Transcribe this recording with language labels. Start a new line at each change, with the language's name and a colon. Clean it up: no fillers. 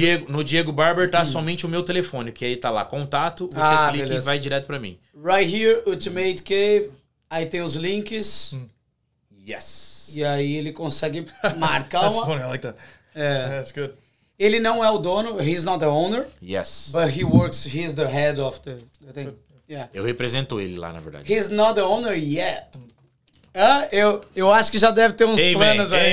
Portuguese: No Diego Barber tá somente o meu telefone, que aí tá lá, contato, você clica, beleza. E vai direto pra mim.
English: Right here,
Portuguese: Ultimate Cave. Aí tem os links.
English: Yes.
Portuguese: E aí ele consegue marcar
English: That's funny, I like that. That's good.
Portuguese: Ele não é o dono,
English: he's not the owner. Yes. But he works, he's the head of the thing. Yeah.
Portuguese: Eu represento ele lá, na verdade.
English: He's not the owner yet.
Portuguese: Eu acho que já deve ter uns planos aí.